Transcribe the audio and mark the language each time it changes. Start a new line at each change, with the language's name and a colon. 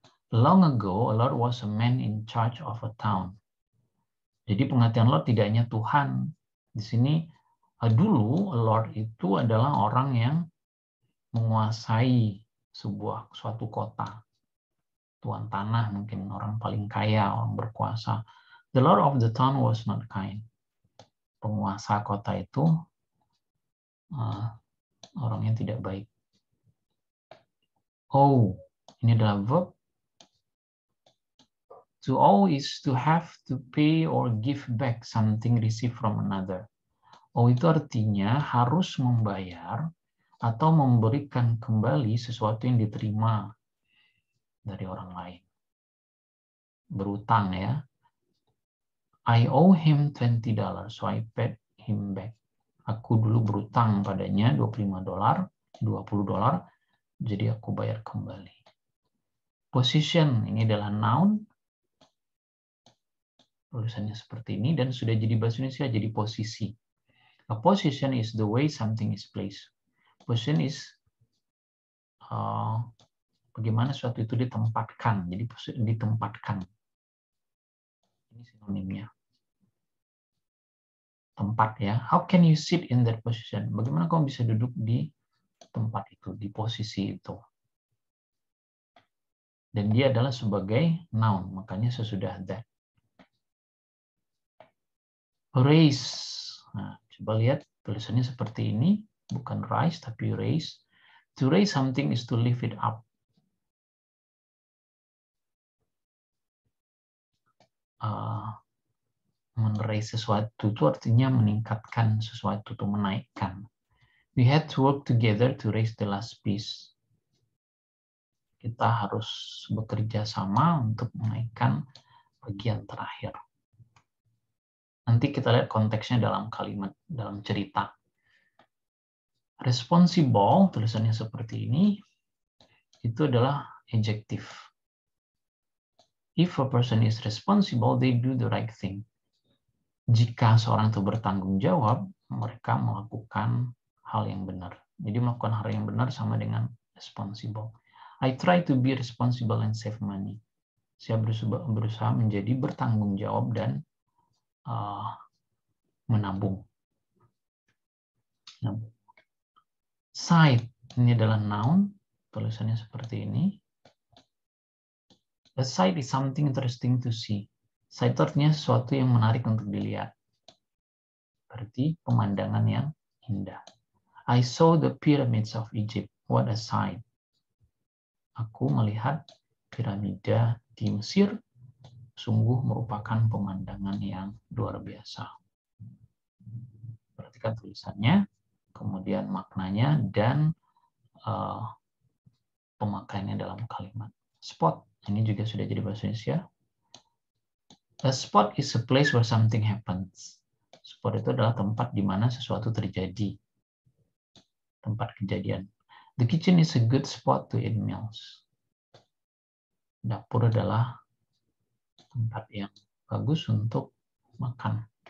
English: Long ago, a lord was a man in charge of a town.
Indonesian: Jadi pengertian lord tidak hanya Tuhan. Di sini, dulu lord itu adalah orang yang menguasai suatu kota. Tuan tanah mungkin orang paling kaya, orang berkuasa.
English: The lord of the town was not kind.
Indonesian: Penguasa kota itu orangnya tidak baik. Owe, ini adalah verb.
English: To owe is to have to pay or give back something received from another.
Indonesian: Oh, itu artinya harus membayar atau memberikan kembali sesuatu yang diterima dari orang lain. Berutang ya.
English: I owe him $20, so I paid him back.
Indonesian: Aku dulu berutang padanya $25, $20, jadi aku bayar kembali. Position, ini adalah noun. Tulisannya seperti ini dan sudah jadi bahasa Indonesia, jadi posisi.
English: A position is the way something is placed. Position is
Indonesian: bagaimana sesuatu itu ditempatkan. Jadi ditempatkan. Ini sinonimnya. Tempat ya.
English: How can you sit in that position?
Indonesian: Bagaimana kamu bisa duduk di tempat itu, di posisi itu? Dan dia adalah sebagai noun, makanya sesudah that. Race. Nah, coba lihat tulisannya seperti ini, bukan rise tapi raise.
English: To raise something is to lift it up.
Indonesian: Men-raise sesuatu itu artinya meningkatkan sesuatu atau menaikkan.
English: We had to work together to raise the last piece.
Indonesian: Kita harus bekerja sama untuk menaikkan bagian terakhir. Nanti kita lihat konteksnya dalam kalimat, dalam cerita. Responsible, tulisannya seperti ini, itu adalah adjective.
English: If a person is responsible, they do the right thing.
Indonesian: Jika seorang itu bertanggung jawab, mereka melakukan hal yang benar. Jadi melakukan hal yang benar sama dengan responsible.
English: I try to be responsible and save money.
Indonesian: Saya berusaha menjadi bertanggung jawab dan menabung. Side, ini adalah noun, tulisannya seperti ini.
English: A sight is something interesting to see.
Indonesian: Sight artinya sesuatu yang menarik untuk dilihat. Berarti pemandangan yang indah.
English: I saw the pyramids of Egypt. What a sight.
Indonesian: Aku melihat piramida di Mesir. Sungguh merupakan pemandangan yang luar biasa. Perhatikan tulisannya, kemudian maknanya, dan pemakaiannya dalam kalimat. Spot, ini juga sudah jadi bahasa Indonesia.
English: A spot is a place where something happens.
Indonesian: Spot itu adalah tempat di mana sesuatu terjadi. Tempat kejadian.
English: The kitchen is a good spot to eat meals.
Indonesian: Dapur adalah tempat yang bagus untuk makan.